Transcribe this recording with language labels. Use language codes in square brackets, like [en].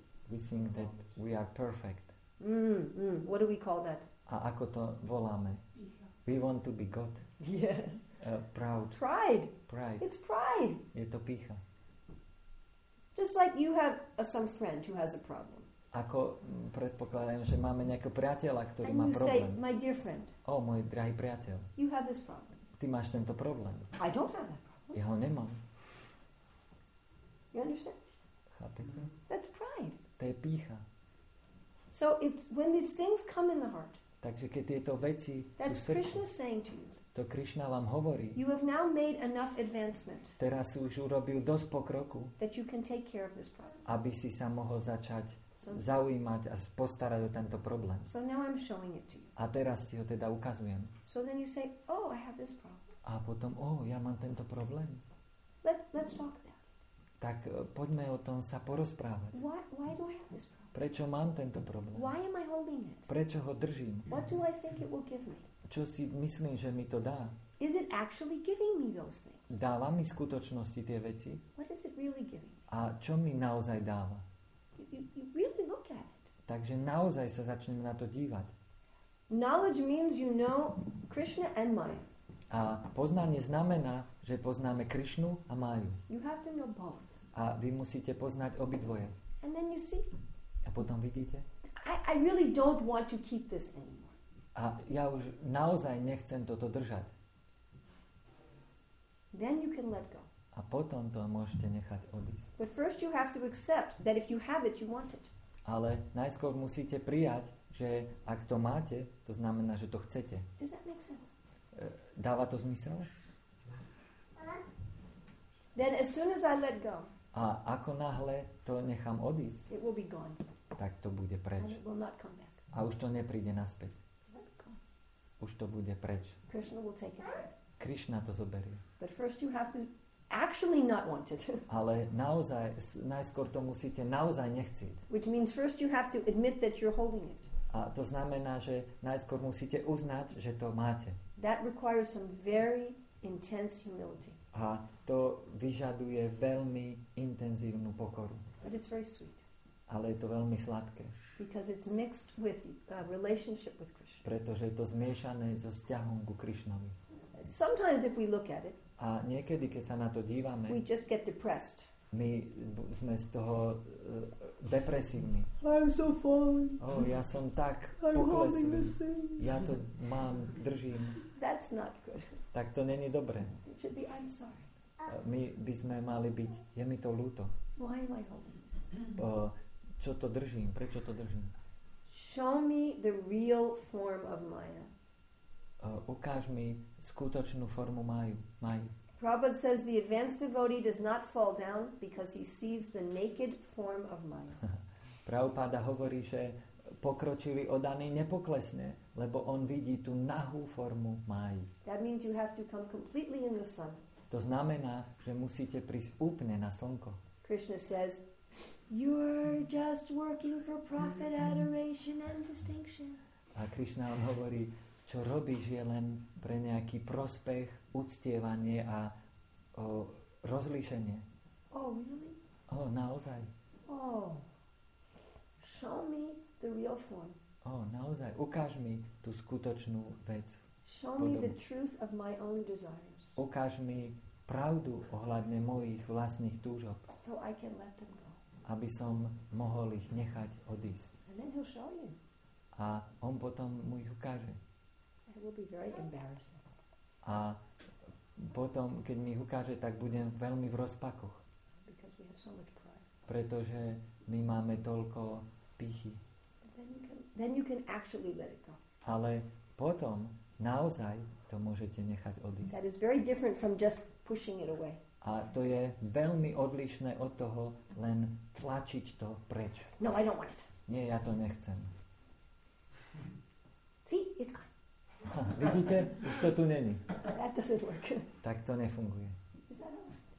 [en] We think that we are perfect. What do we call that? [sk] A ako to voláme? [en] We want to be God. Yes. Proud. Pride. Pride. It's pride. [sk] Je to pícha. [en] Just like you have some friend who has a problem. [sk] Ako predpokladám, že máme nejakého priateľa, ktorý [en] and [sk] má problém. [en] And you say, my dear friend. [sk] Oh, môj drahý priateľ. [en] You have this problem. [sk] Ty máš tento problém. [en] I don't have that problem. [sk] Ja ho nemám. [en] You understand? [sk] Chápete? [en] That's pride. [sk] To je pícha. [en] So it's when these things come in the heart. [sk] Takže keď tieto veci [en] that's [sk] sú srdce, [en] Krishna saying to you. [sk] To Krishna vám hovorí. [en] You have now made enough advancement. [sk] Teraz si už urobil dosť pokroku. [en] That you can take care of this problem. [sk] Aby si sa mohol začať zaujímať a postarať o tento problém. [en] So now I'm showing it to you. [sk] A teraz ti ho teda ukazujem. [en] So then you say, oh, I have this problem. [sk] A potom, oh, ja mám tento problém. [en] Let's talk about it. [sk] Tak poďme o tom sa porozprávať. [en] Why do I have this problem? [sk] Prečo mám tento problém? [en] Why am I holding it? [sk] Prečo ho držím? [en] What do I think it will give me? [sk] Čo si myslím, že mi to dá? [en] Is it actually giving me those things? [sk] Dáva mi skutočnosti tie veci? [en] What is it really giving? [sk] A čo mi naozaj dáva? [en] You really look at it. [sk] Takže naozaj sa začneme na to dívať. [en] Knowledge means you know Krishna and Maya. [sk] A poznanie znamená, že poznáme Krishnu a Maju. [en] You have to know both. [sk] A vy musíte poznať obidvoje. [en] And then you see. [sk] A potom vidíte. [en] I really don't want to keep this anymore. [sk] A ja už naozaj nechcem toto držať. [en] Then you can let go. [sk] A potom to môžete nechať odísť. [en] But first you have to accept that if you have it, you want it. [sk] Ale najskôr musíte prijať, že ak to máte, to znamená, že to chcete. [en] Does that make sense? [sk] Dáva to zmysel? [en] Then as soon as I let go. [sk] A ako náhle to nechám odísť, [en] it will be gone. [sk] Tak to bude preč. [en] And it will not come back. [sk] A už to nepríde naspäť. Už to bude preč. [en] Krishna will take it. [sk] Krishna to zoberie. [en] But first you have to actually not want it. [sk] Ale naozaj, najskôr to musíte naozaj nechcieť. [en] Which means first you have to admit that you're holding it. [sk] A to znamená, že najskôr musíte uznať, že to máte. [en] That requires some very intense humility. [sk] A to vyžaduje veľmi intenzívnu pokoru. [en] But it's very sweet. [sk] Ale je to veľmi sladké. [en] Because it's mixed with relationship with Krishna. [sk] Pretože je to zmiešané so vzťahom ku Krishnovi. [en] Sometimes if we look at it, [sk] a niekedy, keď sa na to dívame, [en] we just get depressed. [sk] My sme z toho depresívni. [en] I'm so fallen. [sk] Oh, ja som tak poklesný. Ja to mám, držím. [en] That's not good. [sk] Tak to není dobré. [en] It should be, I'm sorry. [sk] My by sme mali byť, je mi to ľúto. [en] Why am I holding this? [sk] Čo to držím? Prečo to držím? [en] Show me the real form of Maya. [sk] Ukáž mi skutočnú formu Maju. Maju. [en] Prabhupada says the advanced devotee does not fall down because he sees the naked form of Maya. [sk] Prabhupada hovorí, že pokročili oddaný nepoklesne, lebo on vidí tú nahú formu Maya. [en] That means you have to come completely in the sun. [sk] To znamená, že musíte prísť úplne na slnko. [en] Krishna says, you're just working for profit, adoration and distinction. [sk] A Krishna vám hovorí, čo robíš, je len pre nejaký prospech, uctievanie a rozlíšenie. [en] Oh, really? [sk] Oh, naozaj. [en] Oh, show me the real form. [sk] Oh, naozaj, ukáž mi tú skutočnú vec. [en] Show me the truth of my own desires. [sk] Ukáž mi pravdu ohľadne mojich vlastných túžob. [en] So I can let them go. [sk] Aby som mohol ich nechať odísť. [en] And then he'll show you. [sk] A on potom mu ich ukáže. [en] It will be very embarrassing. [sk] A potom, keď mi ich ukáže, tak budem veľmi v rozpakoch. [en] Because we have so much pride. [sk] Pretože my máme toľko pýchy. [en] Then you can actually let it go. [sk] Ale potom naozaj to môžete nechať odísť. [en] That is very different from just pushing it away. [sk] A to je veľmi odlišné od toho len tlačiť to preč. [en] No, I don't want it. [sk] Nie, ja to nechcem. [en] See, it's gone. [sk] Vidíte, už to tu není. [en] That doesn't work. [sk] Tak to nefunguje. [en] Is that all?